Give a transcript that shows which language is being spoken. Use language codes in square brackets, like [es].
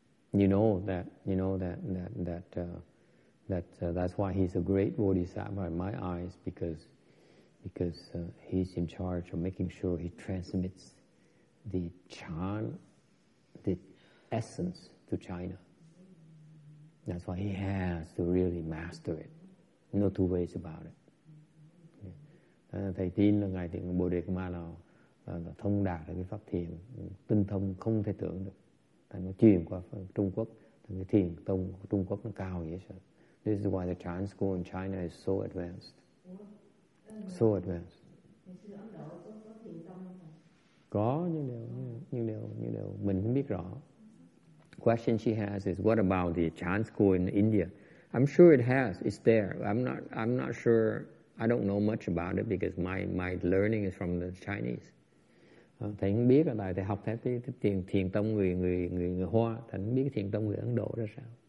[en] That's why he's a great Bodhisattva in my eyes, because he's in charge of making sure he transmits the Chan, the essence to China. That's why he has to really master it. No two ways about it. [vi] Thầy tin là ngài thì Bồ Đề Ma là thông đạt được cái pháp thiền tinh thông không thể tưởng được. Thầy nó truyền qua Trung Quốc, cái thiền tông của Trung Quốc nó cao vậy sao? [en] This is why the Chan school in China is so advanced. So advanced. [vi] Có những điều mình không biết rõ. [en] Question she has is, what about the Chan school in India? I'm sure it has. It's there. I'm not sure. I don't know much about it because my learning is from the Chinese. [vi] Thầy không biết, tại thầy học theo cái thiền tông người Hoa. Thầy không biết thiền tông người Ấn Độ ra sao.